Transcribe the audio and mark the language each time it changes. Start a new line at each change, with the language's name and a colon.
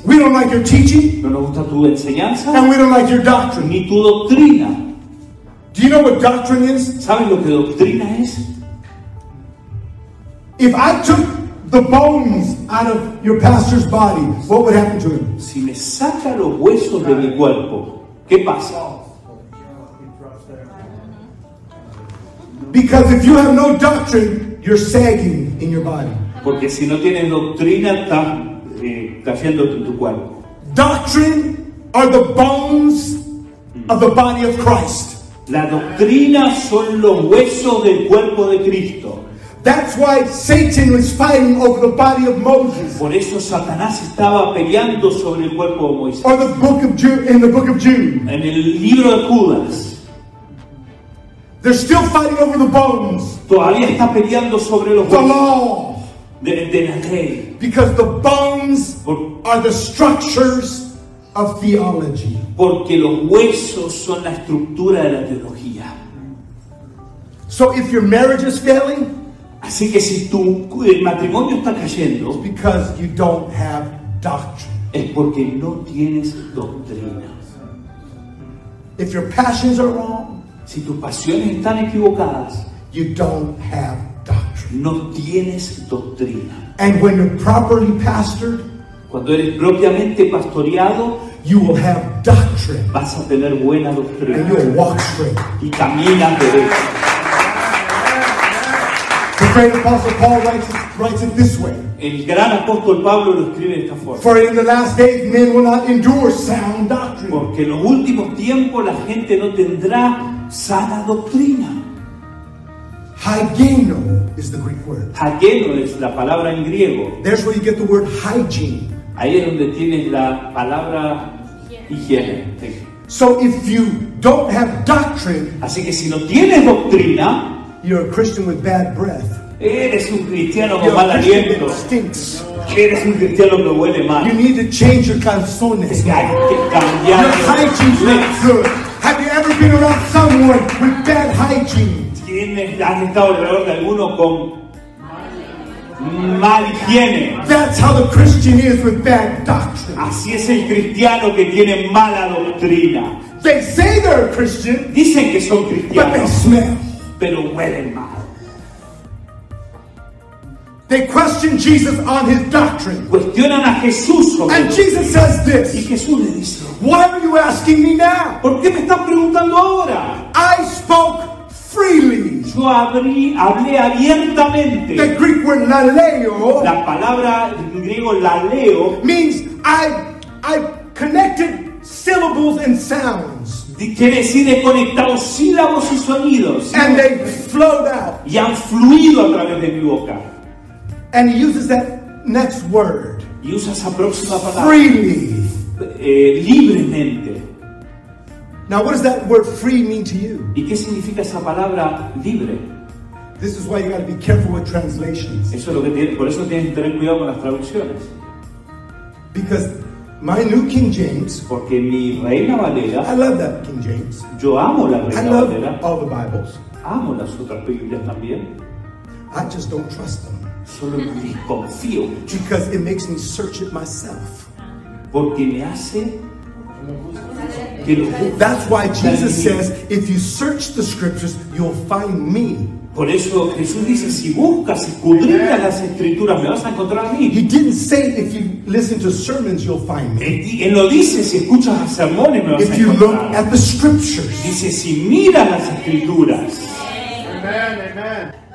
English: We don't like your teaching.
Spanish: No nos gusta tu enseñanza.
English: And we don't like your doctrine.
Spanish: Ni tu doctrina.
English: Do you know what doctrine is?
Spanish: ¿Sabes lo que doctrina es?
English: If I took the bones out of your pastor's body, what would happen to him?
Spanish: Si me saca los huesos de mi cuerpo, ¿qué pasa?
English: Because if you have no doctrine, you're sagging in your body.
Spanish: Porque si no tienes doctrina, estás cayendo en tu cuerpo.
English: Doctrine are the bones of the body of Christ.
Spanish: La doctrina son los huesos del cuerpo de Cristo.
English: That's why Satan was fighting over the body of Moses.
Spanish: Por eso Satanás estaba peleando sobre el cuerpo de Moisés.
English: Or the book of in the book of Jude.
Spanish: En el libro de Judas.
English: They're still fighting over the bones.
Spanish: Todavía está peleando sobre los huesos.
English: The law.
Spanish: De la ley.
English: Because the bones are the structures of theology.
Spanish: Porque los huesos son la estructura de la teología.
English: So if your marriage is failing,
Spanish: así que si tu el matrimonio está cayendo,
English: it's because you don't have doctrine.
Spanish: Es porque no tienes doctrina.
English: If your passions are wrong,
Spanish: si tus pasiones están equivocadas,
English: you don't have doctrine.
Spanish: No tienes doctrina.
English: And when you're properly pastored,
Spanish: cuando eres propiamente pastoreado,
English: you will have doctrine.
Spanish: Vas a tener buena doctrina.
English: And you'll walk straight.
Spanish: Y caminas derecho.
English: The great apostle Paul writes it this way.
Spanish: El gran apóstol Pablo lo escribe de esta forma.
English: For in the last days men will not endure sound doctrine.
Spanish: Porque en los últimos tiempos la gente no tendrá sana doctrina.
English: Hygieno is the Greek word.
Spanish: Hygieno es la palabra en griego.
English: There's where you get the word hygiene.
Spanish: Ahí es donde tienes la palabra higiene.
English: So if you don't have doctrine,
Spanish: así que si no tienes doctrina,
English: you're a Christian with bad breath.
Spanish: Eres un cristiano con mal aliento.
English: Stinks.
Spanish: Eres un cristiano que huele mal.
English: You need to change your calzones.
Spanish: Hay que cambiar.
English: Your hygiene's not good. Have you ever been around someone with bad hygiene?
Spanish: ¿Has estado alrededor de alguno con mal higiene?
English: That's how the Christian is with bad doctrine.
Spanish: Así es el cristiano que tiene mala doctrina.
English: They say they're a Christian.
Spanish: Dicen que son cristianos.
English: But they smell.
Spanish: Pero huelen mal.
English: They question Jesus on his doctrine.
Spanish: Cuestionan a Jesús sobre
English: And Jesus says this.
Spanish: Y Jesús le dice,
English: why are you asking me now?
Spanish: ¿Por qué me están preguntando ahora?
English: I spoke freely.
Spanish: Yo hablé abiertamente.
English: The Greek word laleo.
Spanish: La palabra en griego laleo
English: means I connected syllables and sounds.
Spanish: Quiere decir he conectado sílabos y sonidos.
English: And they flowed out.
Spanish: Y han fluido a través de mi boca.
English: And he uses that next word.
Spanish: Y usa esa próxima palabra.
English: Freely.
Spanish: Libremente.
English: Now, what does that word free mean to you?
Spanish: ¿Y qué significa esa palabra libre?
English: This is why you got to be careful with translations.
Spanish: Eso es lo que tiene, por eso tienes que tener cuidado con las traducciones.
English: Because my New King James,
Spanish: porque mi Reina Valera,
English: I love that King James.
Spanish: Yo amo la Reina
English: I love
Spanish: Valera.
English: All the Bibles.
Spanish: Amo las otras Biblias también.
English: I just don't trust them.
Spanish: Solo me confío.
English: Because it makes me search it myself.
Spanish: Porque me hace
English: That's why Jesus says, if you search the scriptures, you'll find me.
Spanish: Por eso Jesús dice, si buscas, si escudriñas las escrituras, me vas a encontrar a mí.
English: He didn't say, if you listen to sermons, you'll find me.
Spanish: Él lo dice, si escuchas sermones, me vas a encontrar.
English: If you look at the scriptures.
Spanish: Dice, si miras las escrituras. Amen, amen.